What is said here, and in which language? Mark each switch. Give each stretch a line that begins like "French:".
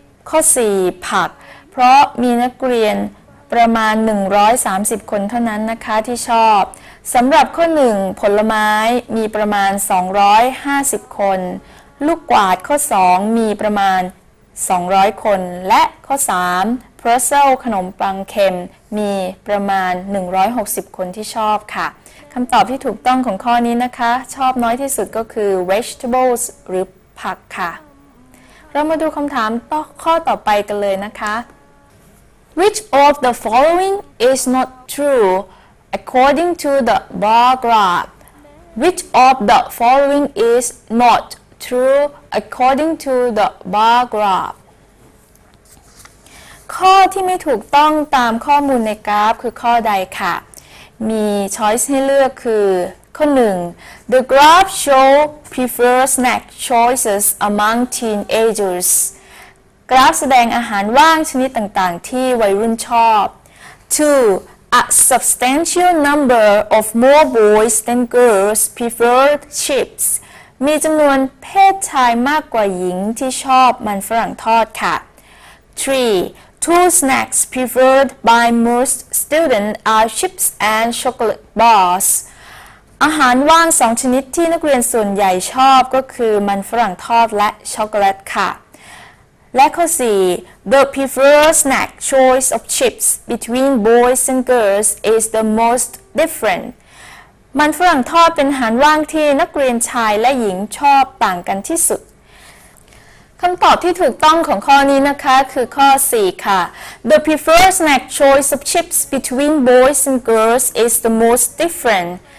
Thai: ข้อ4ผักเพราะมีนักเรียนประมาณ130คนเท่านั้นนะคะที่ชอบสำหรับข้อ1ผลไม้มีประมาณ250คนลูกกวาดข้อ2มีประมาณ200คนและข้อ3 Pretzel ขนมปังเค็มมีประมาณ160คนที่ชอบค่ะคำตอบที่ถูกต้องของข้อนี้นะคะชอบน้อยที่สุดก็คือ Vegetables หรือผักค่ะ เรามาดูคำถามข้อต่อไปกันเลยนะคะ
English: Which of the following is not true according to the bar graph? Which of the following is not true according to the bar graph?
Thai: ข้อที่ไม่ถูกต้องตามข้อมูลในกราฟคือข้อใดค่ะมีช้อยส์ให้เลือกคือข้อ 1.
English: The graph shows preferred snack choices among teenagers.
Thai: กราฟแสดงอาหารว่างชนิดต่างๆที่วัยรุ่นชอบ 2.
English: A substantial number of more boys than girls prefer chips.
Thai: มีจำนวนเพศชายมากกว่าหญิงที่ชอบมันฝรั่งทอดค่ะ 3.
English: Two snacks preferred by most students are chips and chocolate bars.
Thai: อาหารว่างสองชนิดที่นักเรียนส่วนใหญ่ชอบก็คือมันฝรั่งทอดและช็อกโกแลตค่ะและข้อ 4.
English: The preferred snack choice of chips between boys and girls is the most different.
Thai: มันฝรั่งทอดเป็นอาหารว่างที่นักเรียนชายและหญิงชอบต่างกันที่สุดคำตอบที่ถูกต้องของข้อนี้นะคะคือข้อ 4 ค่ะ
English: The preferred snack choice of chips between boys and girls is the most different.